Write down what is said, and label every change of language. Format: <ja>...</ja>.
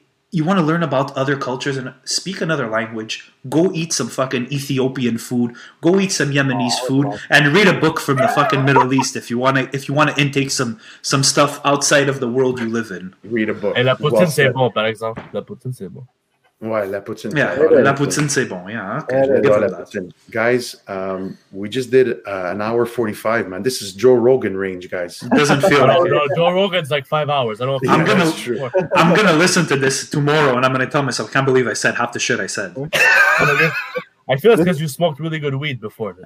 <en>you want to learn about other cultures and speak another language, go eat some fucking Ethiopian food, go eat some Yemenese food, and read a book from the fucking Middle East if you want to intake some stuff outside of the world you live in. Read a book.</en> <fr>Et la poutine, c'est bon, par exemple. La poutine, c'est bon. Ouais, la poutine, c'est bon. La poutine, c'est bon, yeah.</fr> <en>Guys, we just did an hour 45, man. This is Joe Rogan range, guys. It doesn't feel like it. No, Joe Rogan's like 5 hours. I'm going to listen to this tomorrow, and I'm going to tell myself, I can't believe I said half the shit I said. I feel it's because you smoked really good weed before this.</en>